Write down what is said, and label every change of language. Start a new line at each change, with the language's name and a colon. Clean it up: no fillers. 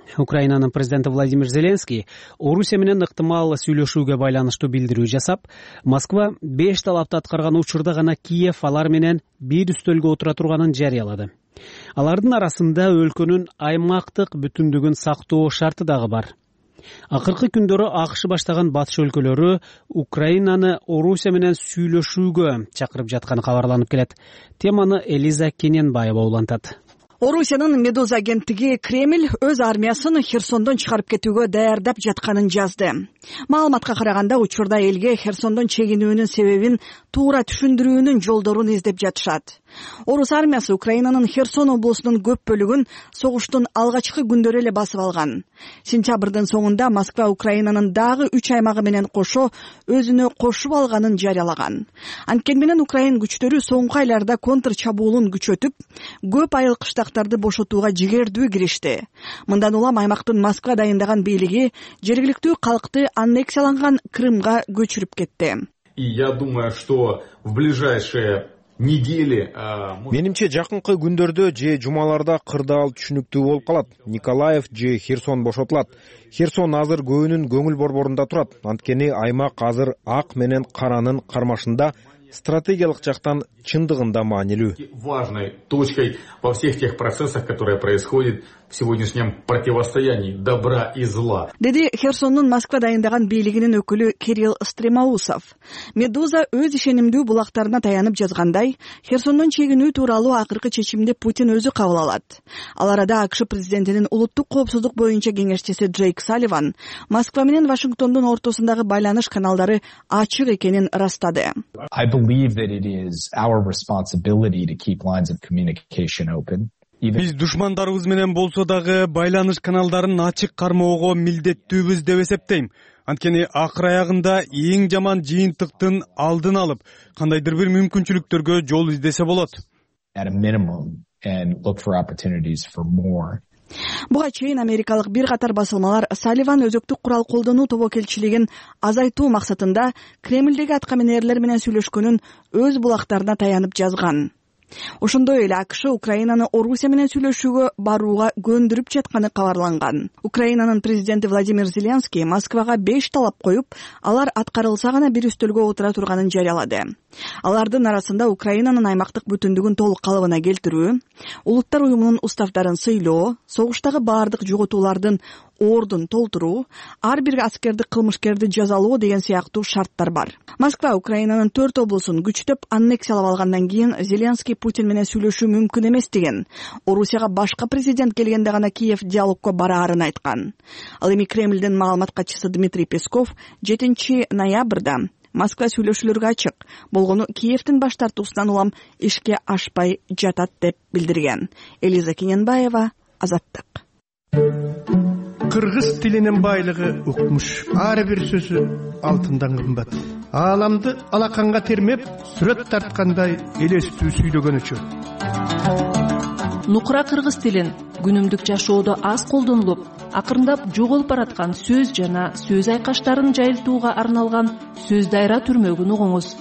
Kyrgyz: Украинанын президенти Владимир Зеленский Орусия менен ыктымал сүйлөшүүгө байланыштуу билдирүү жасап, Москва 5 талапты аткарган учурда гана Киев алар менен бир үстөлгө отура турганын жарыялады. Алардын арасында өлкөнүн аймактык бүтүндүгүн сактоо шарты дагы бар. Акыркы күндөрү АШ баштаган батыш өлкөлөрү Украинаны Орусия менен сүйлөшүүгө чакырып жатканы кабарланып келет. Теманы Элиза Кененбаева улантат. Орусиянын Медуза агенттиги Кремль өз армиясын Херсондон чыгарып кетүүгө даярдап жатканын жазды. Маалыматка караганда, учурда элге Херсондон чегинүүнүн себебин туура түшүндүрүүнүн жолдорун издеп жатышат. Орус армиясы Украинанын Херсон облусунун көп бөлүгүн согуштун алгачкы күндөрү эле басып алган. Сентябрдын соңунда Москва Украинанын дагы 3 аймагы менен кошо өзүнө кошуп алганын жарыялаган. Анткени менен Украин күчтөрү соңку айларда контр чабуулун күчөтүп, көп айыл кыштактарды бошотууга жигердүү киришти. Мындан улам аймактын Москва дайындаган бийлиги жергиликтүү калкты аннексияланган Крымга көчүрүп кетти.
Russian: Я думаю, что в ближайшие недели,
Kyrgyz: менимче жакынкы күндөрдө же жумаларда кырдаал түшүнүктүү болуп калат. Николаев же Херсон бошотулат. Херсон азыр көөнүн көңүл борборунда турат. Анткени аймак азыр ак менен каранын кармашында стратегиялык жактан чындыгында маанилүү.
Russian: Важной точкой во всех тех процессах, которые происходят в сегодняшнем противостоянии добра и зла.
Kyrgyz: Деди Херсондун Москва дайындаган бийлигинин өкүлү Кирилл Стремаусов. Медуза өз ишенимдүү булактарына таянып жазгандай, Херсондон чегинүү тууралуу акыркы чечимди Путин өзү кабыл алат. Ал арада АШ президентинин улуттук коопсуздук боюнча кеңешчиси Джейк Салливан Москва менен Вашингтондун ортосундагы байланыш каналдары ачык экенин ырастады.
English: I believe that it is our responsibility to keep lines of communication open.
Kyrgyz: Биз душмандарыбыз менен болсо дагы байланыш каналдарын ачык кармоого милдеттүүбүз деп эсептейм. Анткени акыр аягында эң жаман жыйынтыктын алдын алып, кандайдыр бир мүмкүнчүлүктөргө жол издесе болот.
English: At a minimum and look for opportunities for more.
Kyrgyz: Буга чейин америкалык бир катар басылмалар Салливан өзөктүк курал колдонуу тобокелчилигин азайтуу максатында Кремлдеги аткаминерлер менен сүйлөшкөнүн өз булактарына таянып жазган. Ошондой эле АШ Украинаны Орусия менен сүйлөшүүгө барууга көндүрүп жатканы кабарланган. Украинанын президенти Владимир Зеленский Москвага 5 талап коюп, алар аткарылса гана бир үстөлгө отура турганын жарыялады. Алардын арасында Украинанын аймактык бүтүндүгүн толук калыбына келтирүү, улуттар уюмунун уставдарын сыйлоо, согуштагы баардык жоготуулардын ордун толтуруу, ар бир аскерди кылмышкерди жазалоо деген сыяктуу шарттар бар. Москва Украинанын 4 облусун күчтөп аннексиялап алгандан кийин Зеленский Путин менен сүйлөшүү мүмкүн эмес деген, Орусияга башка президент келгенде гана Киев диалогко бараарын айткан. Ал эми Кремлдин маалымат катчысы Дмитрий Песков 7 ноябрда Москва сүйлөшүүлөргө ачык, болгону Киевтин баш тартуусунан улам ишке ашпай жатат деп билдирген. Элиза Кененбаева, Азаттык. Кыргыз тилинин байлыгы укмуш, ар бир сөзү алтындан кымбат. Ааламды алаканга термеп, сүрөт тарткандай элестүү сүйлөгөнүчү. Нукура кыргыз тилин күнүмдүк жашоодо аз колдонулуп, акырындап жоголуп бараткан сөз жана сөз айкаштарын жайылтууга арналган сөз дайра түрмөгүн угуңуз.